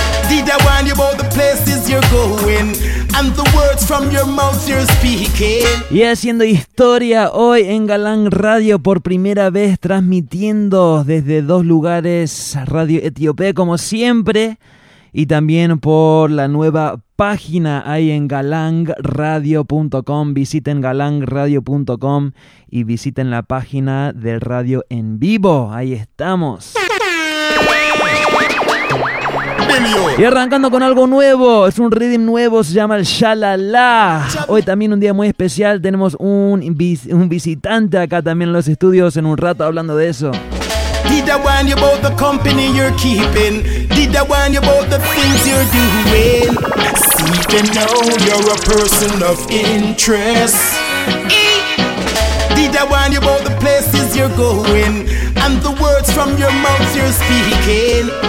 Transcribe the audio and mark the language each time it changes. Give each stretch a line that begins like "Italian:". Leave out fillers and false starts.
English: Did I warn you about the places you're going? And the words from your mouth you're speaking.
Spanish: Y haciendo historia hoy en Galang Radio, por primera vez transmitiendo desde dos lugares, Radio Etiopía como siempre, y también por la nueva página ahí en galangradio.com. Visiten galangradio.com y visiten la página de radio en vivo. Ahí estamos. Y arrancando con algo nuevo, es un rhythm nuevo, se llama el Shalala. Hoy también un día muy especial, tenemos un visitante acá también en los estudios en un rato hablando de eso.
English: Did I warn you about the company you're keeping? Did I warn you about the things you're doing? See them now, you're a person of interest. Did I warn you about the places you're going? And the words from your mouth you're speaking?